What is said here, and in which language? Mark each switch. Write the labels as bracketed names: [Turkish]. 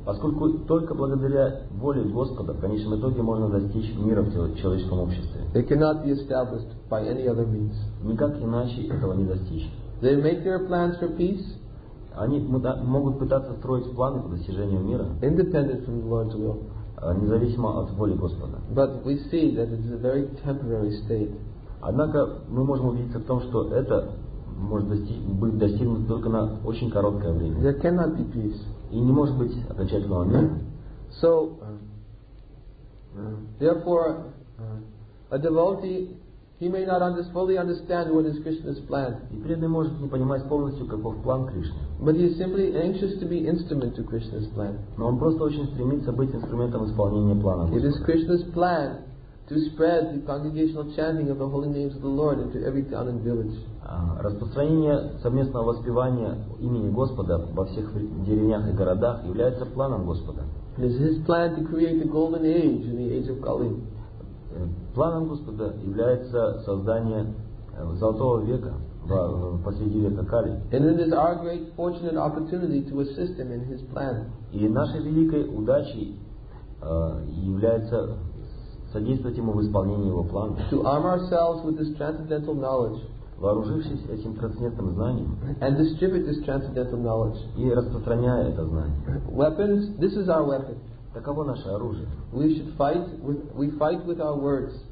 [Russian] Поскольку только благодаря воле Господа в конечном итоге можно достичь мира в человеческом обществе. [English] It cannot be established by any other means. [Russian] Никак иначе этого не достичь. [English] They make their plans for peace. [Russian] Они могут пытаться строить планы по достижению мира. [English] Independent from the Lord's will. [Russian] Независимо от воли Господа. [English] But we see that it is a very temporary state. [Russian] Однако мы можем убедиться в том, что это может быть достигнут только на очень короткое время. [English] There cannot be peace. [Russian] И не может быть окончательного мира. [English] So, therefore, a devotee, he may not fully understand what is Krishna's plan. [Russian] И преданный может не понимать полностью, каков план Кришны. [English] But he is simply anxious to be instrument to Krishna's plan. [Russian] Но он просто очень стремится быть инструментом исполнения плана. [English] It is Krishna's plan to spread the congregational chanting of the holy names of the Lord into every town and village. [Russian] Распространение совместного воспевания имени Господа во всех деревнях и городах является планом Господа. [English] It is His plan to create the golden age in the age of Kali. [Russian] Планом Господа является создание золотого века посреди века Кали. [English] And it is our great fortunate opportunity to assist Him in His plan. [Russian] И нашей великой удачей является содействовать Ему в исполнении Его плана. [English] To arm ourselves with this transcendental knowledge. [Russian] Вооружившись этим трансцендентным знанием. [English] And distribute this transcendental knowledge. [Russian] И распространяя это знание. [English] Weapons, this is our weapon. [Russian] Таково наше оружие. [English] We should fight with, we fight with our words.